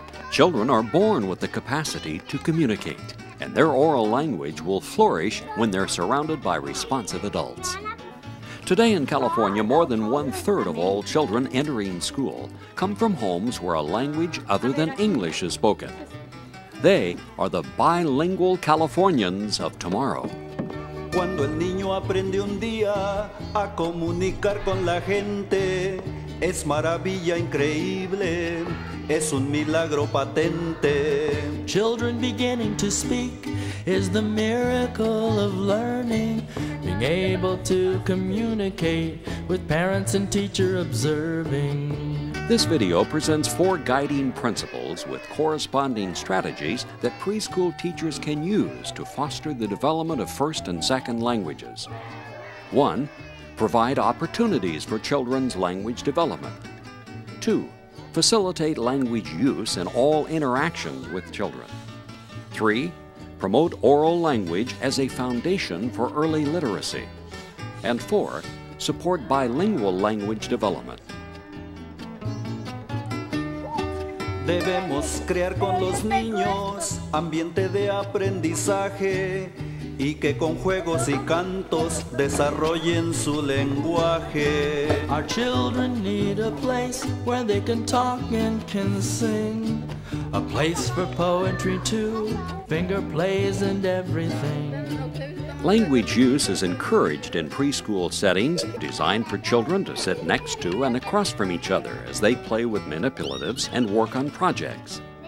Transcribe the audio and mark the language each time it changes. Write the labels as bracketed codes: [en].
[en] Children are born with the capacity to communicate, and their oral language will flourish when they're surrounded by responsive adults. Today in California, more than one-third of all children entering school come from homes where a language other than English is spoken. They are the bilingual Californians of tomorrow. [es] Cuando el niño aprende un día a comunicar con la gente, es maravilla increíble, es un milagro patente. [en] Children beginning to speak is the miracle of learning. Being able to communicate with parents and teacher observing. This video presents four guiding principles with corresponding strategies that preschool teachers can use to foster the development of first and second languages. One, provide opportunities for children's language development. Two, facilitate language use in all interactions with children. Three, promote oral language as a foundation for early literacy. And four, support bilingual language development. [es] Debemos crear con los niños ambiente de aprendizaje y que con juegos y cantos desarrollen su lenguaje. [en] Our children need a place where they can talk and can sing. A place for poetry too, finger plays and everything. Language use is encouraged in preschool settings designed for children to sit next to and across from each other as they play with manipulatives and work on projects.